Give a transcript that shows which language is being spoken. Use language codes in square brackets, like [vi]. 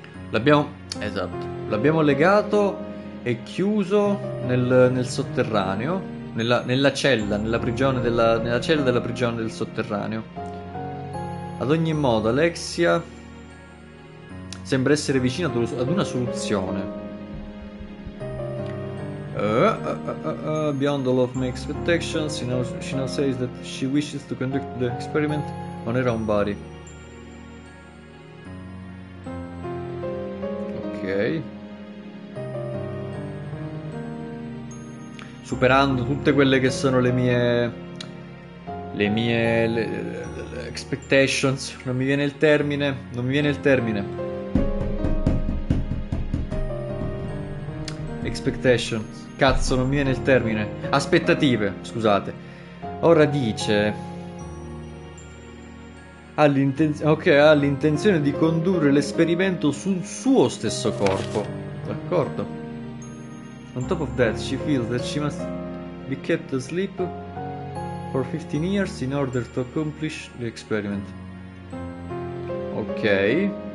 [it] L'abbiamo legato e chiuso nel sotterraneo, nella cella della prigione del sotterraneo. Ad ogni modo, Alexia sembra essere vicina ad una soluzione. [en] Beyond all of my expectations, she now says that she wishes to conduct the experiment on her own body. [it] Superando tutte quelle che sono le mie expectations. Non mi viene il termine. Expectations. Cazzo, non mi viene il termine. Aspettative, scusate. Ora dice: ha l'intenzione di condurre l'esperimento sul suo stesso corpo. D'accordo. [en] On top of that, she feels that she must be kept asleep for 15 years in order to accomplish the experiment. Ok.